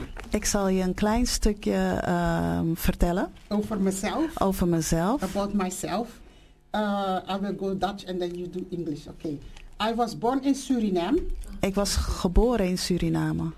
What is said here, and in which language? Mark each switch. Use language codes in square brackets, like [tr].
[nl] Ik zal je een klein stukje vertellen. Over mezelf. Over mezelf. [en] About myself. I will go Dutch and then you do English. Okay. I was born in Suriname. [nl] Ik was geboren in Suriname.